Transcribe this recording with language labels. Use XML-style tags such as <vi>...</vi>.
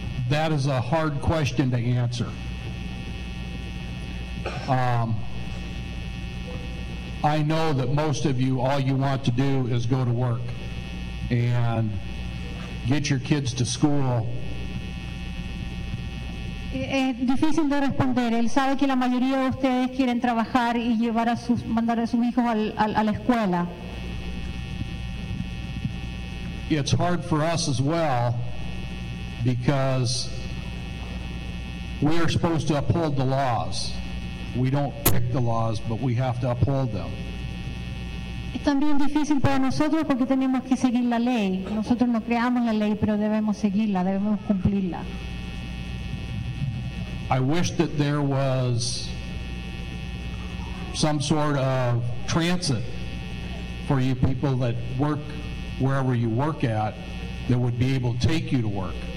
<en>That is a hard question to answer. I know that most of you, all you want to do is go to work and get your kids to school.</en> <es>Es difícil de responder. Él sabe que la mayoría de ustedes quieren trabajar y mandar a sus hijos a la escuela.</es> <en>It's hard for us as well, because we are supposed to uphold the laws. We don't pick the laws, but we have to uphold them.</en> <es>Es también difícil para nosotros porque tenemos que seguir la ley. Nosotros no creamos la ley, pero debemos seguirla, debemos cumplirla.</es> <en>I wish that there was some sort of transit for you people that work wherever you work at that would be able to take you to work.</en>